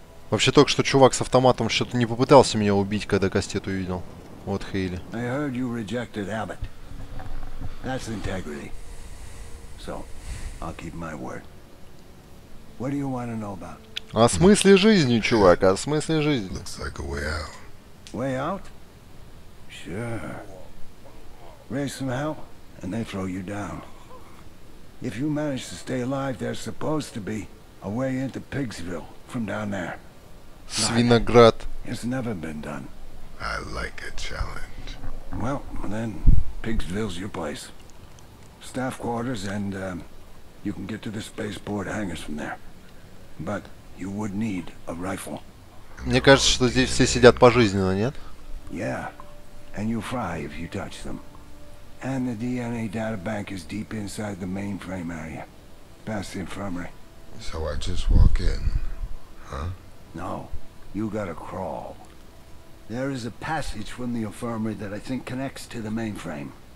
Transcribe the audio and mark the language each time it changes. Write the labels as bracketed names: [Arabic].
[Russian] Вообще, только что чувак с автоматом что-то не попытался меня убить, когда кастет увидел. Вот Хейли. [English] I heard you rejected Abbott. That's integrity. So, I'll keep my word. What do you want to know about? [Russian] О смысле жизни, чувак, о смысле жизни. [English] Looks like a way out. Way out? Sure. Raise some hell, and they throw you down. If you manage to stay alive, there's supposed to be a way into Pigsville from down there. [Russian] Свиноград. [English] It's never been done. I like a challenge. Well, then, Pigsville's your place. Staff quarters, and you can get to the spaceport hangars from there. But you would need a rifle. [Russian] Мне кажется, что здесь все сидят пожизненно, нет? [English] Yeah, and you fry if you touch them. And the DNA data bank is deep inside the mainframe area, past the infirmary. So I just walk in, huh? No, you gotta crawl. There is a passage from the infirmary that I think connects to the mainframe.